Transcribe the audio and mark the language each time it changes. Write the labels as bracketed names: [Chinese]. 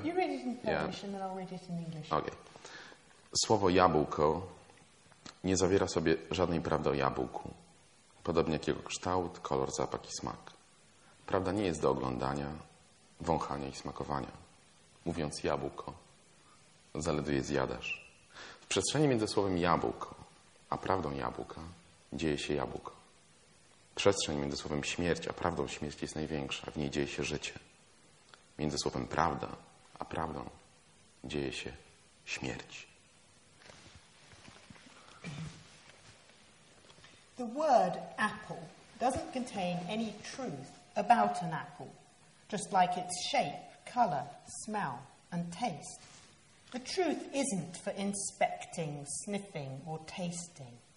[English] You read it in Polish, yeah. And then I'll read it in English. Okay. [Polish] Słowo jabłko nie zawiera sobie żadnej prawdy o jabłku. Podobnie jak jego kształt, kolor, zapach i smak. Prawda nie jest do oglądania, wąchania i smakowania. Mówiąc jabłko, zaledwie zjadasz. W przestrzeni między słowem jabłko a prawdą jabłka dzieje się jabłko. Przestrzeń między słowem śmierć a prawdą śmierci jest największa. W niej dzieje się życie. Między słowem prawda a prawdą dzieje się śmierć. [English] The word apple doesn't contain any truth about an apple, just like its shape, color, smell, and taste. The truth isn't for inspecting, sniffing, or tasting.